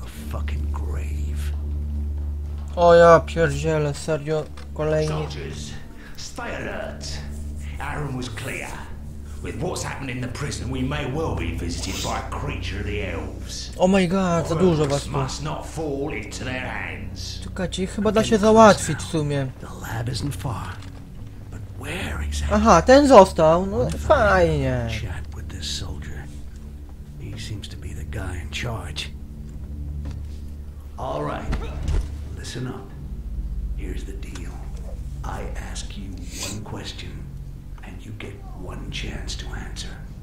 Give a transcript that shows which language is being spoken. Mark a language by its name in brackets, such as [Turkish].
[English] Fucking grave. [Polish] O ja pierdzielę, serio, kolejny. [English] Soldiers, stay alert. Aaron was clear. With what's happened in the prison, we may well be visited by a creature of the elves. Oh my god, [Polish] za dużo was tu. [English] Must not fall into their hands. [Polish] Czekajcie, chyba da się załatwić w sumie. [English] The lab isn't far, but where exactly? [Polish] Aha, ten został, no fajnie. [English] Chat with this soldier. He seems to be the guy in charge. All right, listen up. Here's the deal. I ask you one question, and you get one chance to answer.